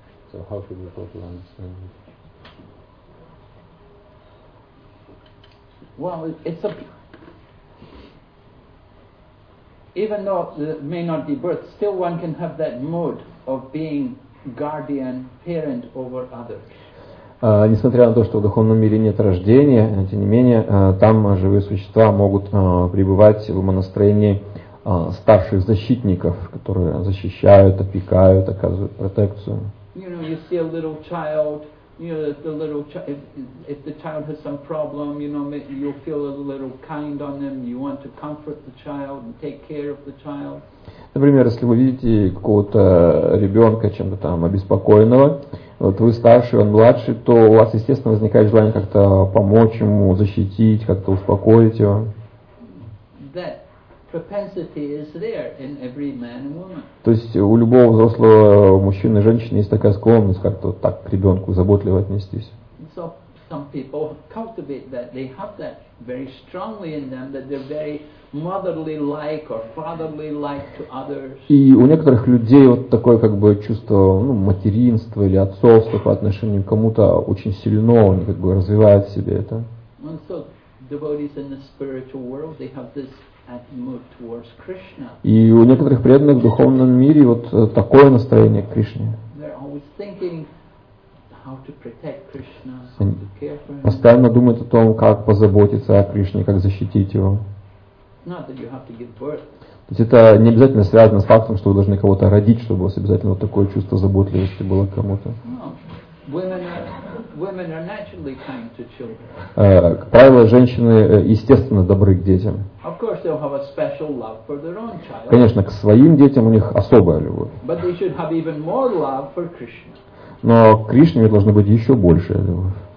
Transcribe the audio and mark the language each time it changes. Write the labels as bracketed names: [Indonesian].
[English] So how should we properly understand it? Well, even though it may not be birth, still one can have that mood of being guardian, parent over others. [Russian] Несмотря на то, что в духовном мире нет рождения, тем не менее, там живые существа могут пребывать в умонастроении старших защитников, которые защищают, опекают, оказывают протекцию. [English] You know, you see a little child, you know, the little if the child has some problem, you know, you'll feel a little kind on them, you want to comfort the child and take care of the child. [Russian] Например, если вы видите какого-то ребенка чем-то там обеспокоенного, вот вы старший, он младший, то у вас, естественно, возникает желание как-то помочь ему, защитить, как-то успокоить его. [English] That propensity is there in every man and woman. [Russian] То есть у любого взрослого мужчины и женщины есть такая склонность как-то вот так к ребенку заботливо отнестись. [English] So some people cultivate that. They have that very strongly in them, that they're very motherly-like or fatherly-like to others. [Russian] И у некоторых людей вот такое как бы чувство, ну, материнства или отцовства по отношению к кому-то очень сильно, он как бы развивает в себе это. [English] And so devotees in the spiritual world, they have this attitude towards Krishna. [Russian] И у некоторых преданных в духовном мире вот такое настроение к Кришне. [English] They're always thinking how to protect Krishna, how to care for him. [Russian] Постоянно думают о том, как позаботиться о Кришне, как защитить его. [English] Not that you have to give birth. [Russian] То есть это не обязательно связано с фактом, что вы должны кого-то родить, чтобы у вас обязательно вот такое чувство заботливости было к кому-то. [English] Women are naturally kind to children. [Russian] Как правило, женщины естественно добры к детям. [English] Of course, they'll have a special love for their own child. [Russian] Конечно, к своим детям у них особая любовь. [English] But they should have even more love for Krishna. [Russian] Но к Кришне должно быть еще большая любовь.